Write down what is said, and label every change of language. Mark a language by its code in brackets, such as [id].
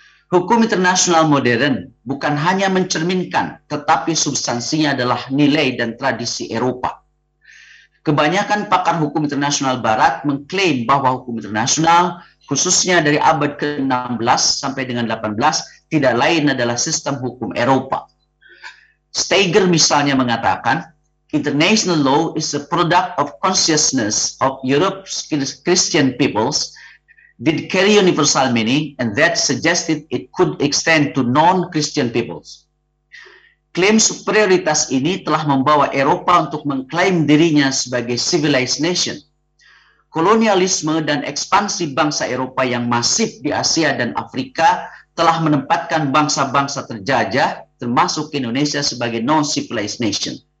[id] Hukum internasional modern bukan hanya mencerminkan, tetapi substansinya adalah nilai dan tradisi Eropa. Kebanyakan pakar hukum internasional Barat mengklaim bahwa hukum internasional, khususnya dari abad ke-16 sampai dengan 18, tidak lain adalah sistem hukum Eropa. Steger misalnya mengatakan, [en] "International law is a product of consciousness of Europe's Christian peoples, did carry universal meaning, and that suggested it could extend to non-Christian peoples." [id] Klaim superioritas ini telah membawa Eropa untuk mengklaim dirinya sebagai civilized nation. Kolonialisme dan ekspansi bangsa Eropa yang masif di Asia dan Afrika telah menempatkan bangsa-bangsa terjajah, termasuk Indonesia, sebagai non-civilized nation.